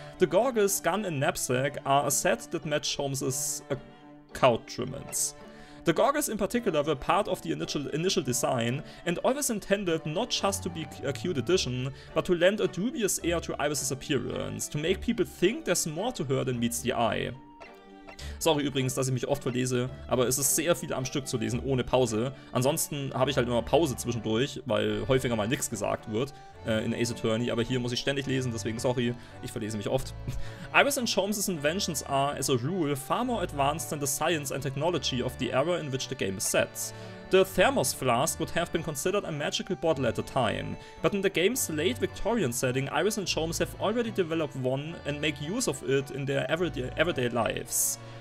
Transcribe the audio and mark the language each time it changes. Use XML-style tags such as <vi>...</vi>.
<en>The gorgas, gun and knapsack are a set that match Sholmes' accoutrements. The gorgas in particular were part of the initial design and always intended not just to be a cute addition, but to lend a dubious air to Iris' appearance, to make people think there's more to her than meets the eye.</en> <de>Sorry übrigens, dass ich mich oft verlese, aber es ist sehr viel am Stück zu lesen, ohne Pause. Ansonsten habe ich halt immer Pause zwischendurch, weil häufiger mal nichts gesagt wird in Ace Attorney, aber hier muss ich ständig lesen, deswegen sorry, ich verlese mich oft.</de> <en>Iris and Sholmes' inventions are, as a rule, far more advanced than the science and technology of the era in which the game is set. The thermos flask would have been considered a magical bottle at the time, but in the game's late Victorian setting, Iris and Sholmes have already developed one and make use of it in their everyday lives.</en>